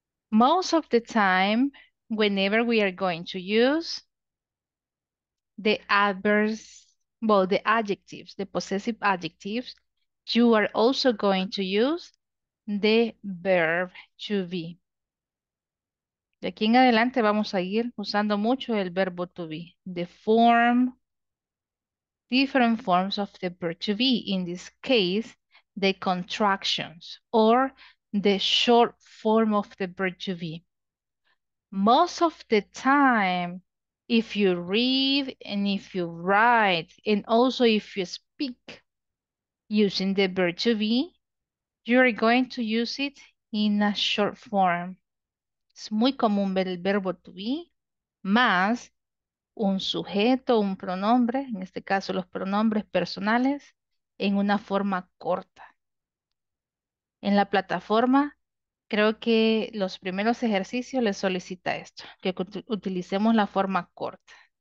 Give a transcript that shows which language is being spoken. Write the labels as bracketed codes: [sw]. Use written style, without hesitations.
[en] Most of the time, whenever we are going to use the adverbs, well, the adjectives, the possessive adjectives, you are also going to use the verb to be. [es] De aquí en adelante vamos a ir usando mucho el verbo to be. [en] The form, different forms of the verb to be. In this case, the contractions or the short form of the verb to be. Most of the time, if you read and if you write, and also if you speak using the verb to be, you're going to use it in a short form. [es] Es muy común ver el verbo to be más un sujeto, un pronombre, en este caso los pronombres personales, en una forma corta. En la plataforma, creo que los primeros ejercicios les solicita esto, que utilicemos la forma corta.